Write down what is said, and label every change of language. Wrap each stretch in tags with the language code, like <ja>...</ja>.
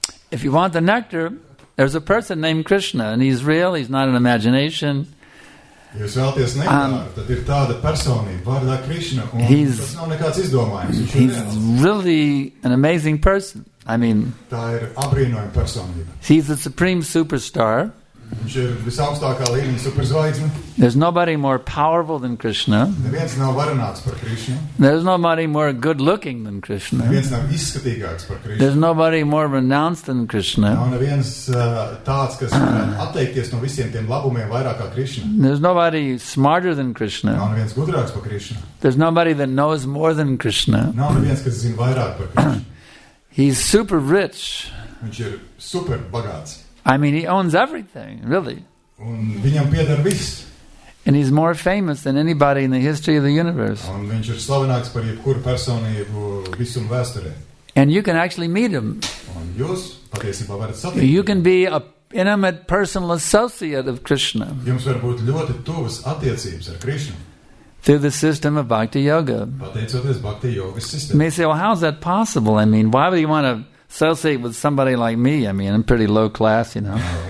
<en>If you want the nectar, there's a person named Krishna, and he's real, he's not an imagination.</en> <lv>Jūs vēlties nektāru, tad ir tāda personība, vārdā Krišna, un tas nav nekāds izdomājums.</lv> <en>He's really an amazing person. I mean,</en> <lv>tā ir apbrīnojama personība.</lv> <en>He's a supreme superstar.</en> <lv>Viņš ir visaugstākā līmeņa superzvaigzne.</lv> <en>There's nobody more powerful than Krishna.</en> <lv>Neviens nav varenāks par Krišnu.</lv> <en>There's nobody more good-looking than Krishna.</en> <lv>Neviens nav izskatīgāks par Krišnu.</lv> <en>There's nobody more renounced than Krishna.</en> <lv>Nav neviens tāds, kas atteikties no visiem tiem labumiem vairāk kā Krišna.</lv> <en>There's nobody smarter than Krishna.</en> <lv>Nav neviens gudrāks par Krišnu.</lv> <en>There's nobody that knows more than Krishna.</en> <lv>Nav neviens, kas zina vairāk par Krišnu.</lv> <en>He's super rich.</en> <lv>Viņš ir super bagāts.</lv> <en>I mean, he owns everything, really.</en> <lv>Un viņam pieder viss.</lv> <en>And he's more famous than anybody in the history of the universe.</en> <lv>Un viņš ir slavenāks par jebkuru personību visuma vēsturē.</lv> <en>And you can actually meet him.</en> <lv>Un jūs patiesībā varat satikt.</lv> <en>You can be an intimate personal associate of Krishna.</en> <lv>Jums var būt ļoti tuvas attiecības ar Krishna.</lv> <en>Through the system of Bhakti Yoga.</en> <lv>Pateicoties Bhakti Yoga's system.</lv> <en>May say, well, how is that possible? I mean, why would you want to associate with somebody like me? I mean, I'm pretty low class, you know.</en>